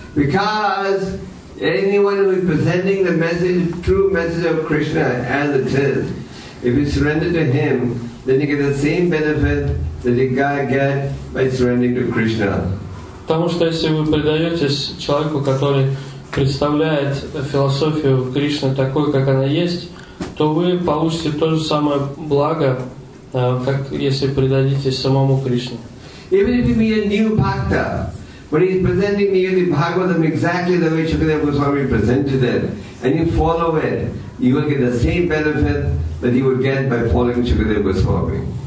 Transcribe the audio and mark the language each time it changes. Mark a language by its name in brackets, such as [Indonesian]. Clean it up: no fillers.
[English] Because anyone who is presenting the message, true message of Krishna as it is, if you surrender to him, then you get the same benefit that you get by surrendering to Krishna. [Russian] Потому что если вы предаетесь человеку, который представляет философию Кришны такой, как она есть, то вы получите то же самое благо, как если предадитесь самому Кришне. [English] Even if you be a new bhakta, when he's presenting to you the Bhagavatam exactly the way Shukadeva Goswami presented it, and you follow it, you will get the same benefit that you would get by following Shukadeva Goswami.